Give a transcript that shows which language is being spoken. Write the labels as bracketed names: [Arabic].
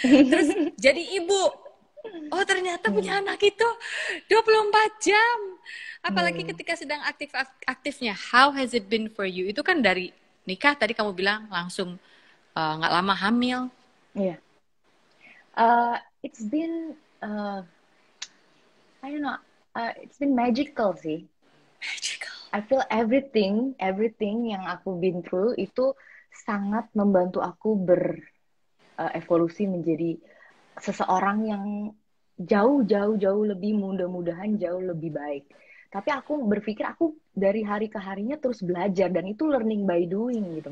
[Indonesian] Terus jadi ibu, oh ternyata punya anak itu 24 jam. [English] Apalagi ketika sedang aktif-aktifnya, how has it been for you? [Indonesian] Itu kan dari nikah tadi kamu bilang langsung nggak lama hamil. Iya. Yeah. [English] It's been, I don't know, it's been magical sih. Magical. [Indonesian] I feel everything yang aku been through itu sangat membantu aku berevolusi menjadi seseorang yang jauh lebih mudah-mudahan jauh lebih baik. Tapi aku berpikir aku dari hari ke harinya terus belajar dan itu learning by doing gitu.